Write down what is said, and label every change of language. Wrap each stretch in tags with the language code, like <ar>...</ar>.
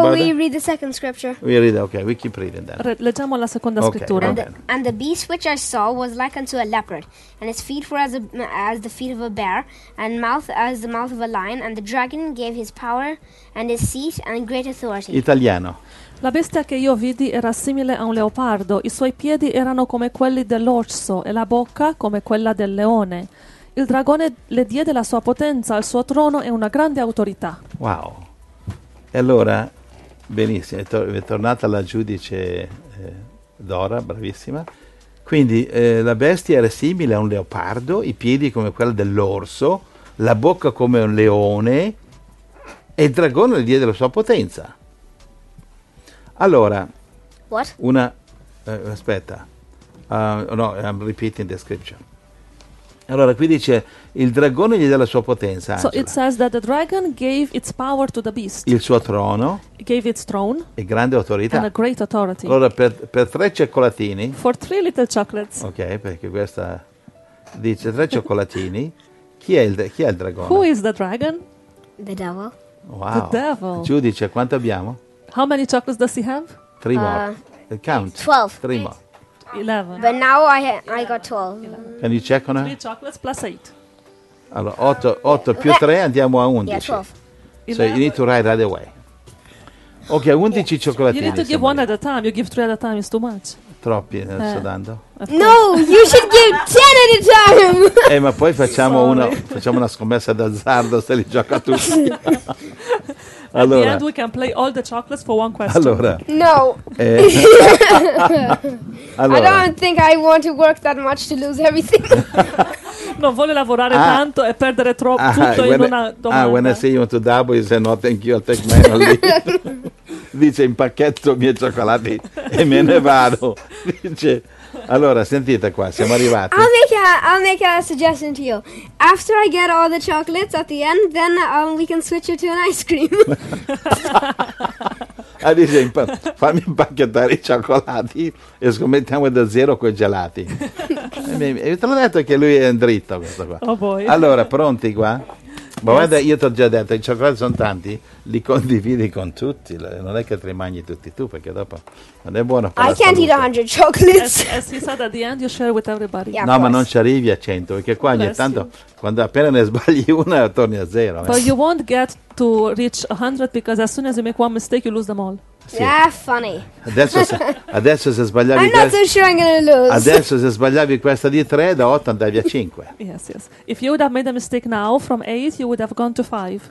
<en>How about we read the second scripture? We read, okay, we keep reading that.</en> <it>Leggiamo la seconda scrittura.</it> <en>And the beast which I saw was like unto a leopard, and his feet were as the feet of a bear, and mouth as the mouth of a lion, and the dragon gave his power and his seat and great authority.</en> <it>Italiano. La bestia che io vidi era simile a un leopardo, i suoi piedi erano come quelli dell'orso e la bocca come quella del leone. Il dragone le diede la sua potenza, il suo trono e una grande autorità.</it> <en>Wow.</en> <it>E allora, benissimo, è tornata la giudice Dora, bravissima. Quindi la bestia era simile a un leopardo, i piedi come quelli dell'orso, la bocca come un leone e il dragone le diede la sua potenza. Allora,</it> <en>what? I'm repeating the scripture.</en> <it>Allora, qui dice, il dragone gli dà la sua potenza, Angela.</it> <en>So it says that the dragon gave its power to the beast.</en> <it>Il suo trono.</it> <en>It gave its throne.</en> <it>E grande autorità.</it> <en>And a great authority.</en> <it>Allora, per 3 cioccolatini.</it> <en>For 3 little chocolates.</en> <it>Ok, perché questa dice 3 cioccolatini. chi è il dragone?</it> <en>Who is the dragon? The devil. Wow. The devil.</en> <it>Giudice, quanto abbiamo?</it> <en>How many chocolates does he have? 3 more. Count. 12. 3 more. 11. But now I got 12. 11. Can you check on her? 3 chocolates plus 8.</en> <it>Allora, 8 più 3, andiamo a 11.</it> <en>Yeah, 12. So 11. You need to write right away. Ok, 11 cioccolatini. You need to give one at a time. You give 3 at a time. It's too much.</en> <it>Troppi, sto dando.</it> <en>No, you should give 10 at a time.</en> <it>ma poi facciamo una scommessa d'azzardo se li gioca tutti.</it> <en>Allora, at the end we can play all the chocolates for one question.</en> <it>Allora, no. allora.</it> <en>I don't think I want to work that much to lose everything.</en> <it>Non vuole lavorare tanto e perdere troppo tutto in una domanda.</it> <en>When I say you want to double, you say no, thank you, I'll take mine only.</en> <it>Dice, impacchetto i miei cioccolati e me ne vado. Dice, allora, sentite qua, siamo arrivati.</it> <en>I'll make a suggestion to you. After I get all the chocolates at the end, then we can switch it to an ice cream.</en> <it>Ah, dice, fammi impacchettare i cioccolati e scommettiamo da zero quei gelati. Te l'ho detto che lui è dritto questo qua.</it> <en>Oh boy.</en> <it>Allora, pronti qua? Ma guarda, io ti ho già detto, i cioccolati sono tanti, li condividi con tutti, non è che te li mangi tutti tu, perché dopo non è buono per</it> <en>I can't</en> <it>salute.</it> <en>Eat 100 chocolates. As he said at the end, you share with everybody. Yeah,</en> <it>no, ma non ci arrivi a 100, perché qua ogni tanto, quando appena ne sbagli una, torni a zero.</it> <en>But you won't get to reach 100, because as soon as you make one mistake, you lose them all. Sì. Yeah, funny.</en> <it>Adesso se sbagliavi</it> <en>I'm not so sure I'm gonna lose.</en> <it>Adesso se sbagliavi questa di 3 da 8 andavi a 5.</it> <en>Yes, yes. If you would have made a mistake now from 8 you would have gone to 5.</en>